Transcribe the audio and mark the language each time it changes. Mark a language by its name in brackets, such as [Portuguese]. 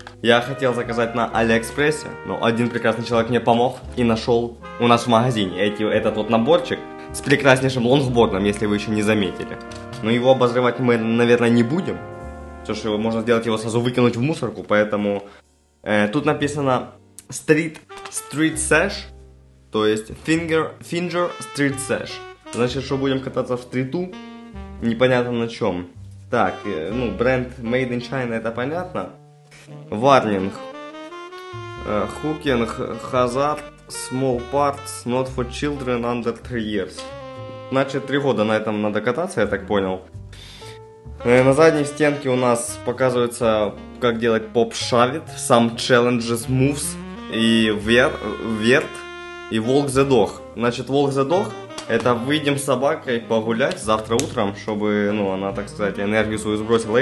[Russian] Я хотел заказать на Алиэкспрессе, но один прекрасный человек мне помог и нашел у нас в магазине этот вот наборчик с прекраснейшим лонгбордом, если вы еще не заметили. Но его обозревать мы, наверное, не будем. Все, что его можно сделать, его сразу выкинуть в мусорку. Поэтому тут написано Street Sesh. То есть Finger Street Sesh. Значит, что будем кататься в стриту? Непонятно на чем. Так, ну, бренд [English] Made in China, [Russian] это понятно. [English] Warning. Hooking hazard small parts not for children under 3 years. [Russian] Значит, 3 года на этом надо кататься, я так понял. На задней стенке у нас показывается, как делать поп-шавит, [English] some challenges moves [Russian] и верт. И волк задох. Значит, волк задох, это выйдем с собакой погулять завтра утром, чтобы, ну, она, так сказать, энергию свою сбросила.